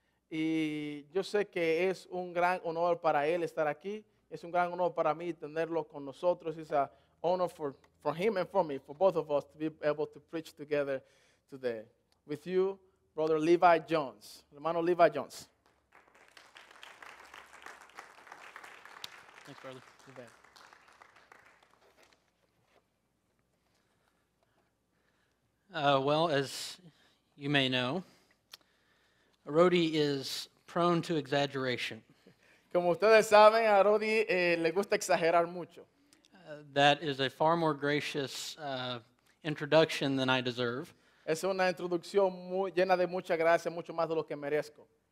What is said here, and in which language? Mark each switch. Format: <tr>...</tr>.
<es>Y yo sé que es un gran honor para él estar aquí. Es un gran honor para mí tenerlo con nosotros.</es> <en>It's an honor for him and for me, for both of us, to be able to preach together today. With you, Brother Levi Jones.</en> <es>Hermano</es> <en>Levi Jones. Thanks, brother. You bet. Well, as you may know, Arodi is prone to exaggeration.</en> <es>Como ustedes saben, a Arodi le gusta exagerar mucho.</es> <en>That is a far more gracious introduction than I deserve.</en> <es>Es una introducción muy llena de mucha gracia, mucho más de lo que merezco.</es>